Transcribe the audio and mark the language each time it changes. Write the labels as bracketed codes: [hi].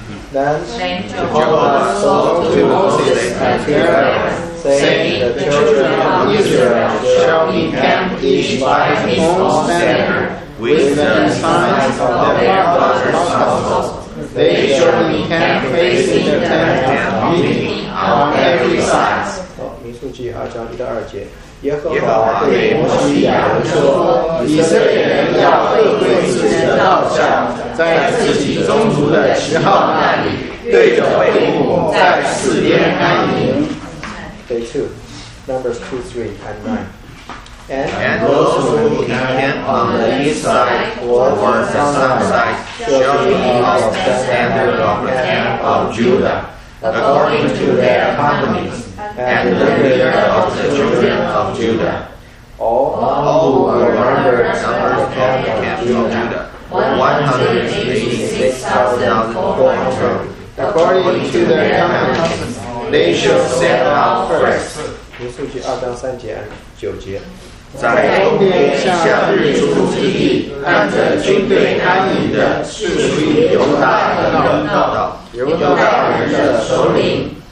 [en] Then Jehovah spoke to Moses and to Aaron, saying, The children of Israel shall encamp each by his own standard, with the signs of their father's household. They shall encamp facing the tent of meeting on every side. [zh] 民数记二章一到二节。耶和华对摩西亚伦说：“以色列人要各归自己的道上，在自己宗族的旗号那里，对着会幕，在四边安营。” [en] Day two, Numbers 2:3-9. And those who encamp on the east side towards the south side shall be of the standard of the camp of Judah, according to their families. And the leader of the children of Judah. All who were numbered in the camp of Judah, 186,400, according to their companies, they shall set out first. [zh] 民数记二章三节九节，在东边向日出之地，按着军队安营的，是属于犹大的道道，犹大人的首领。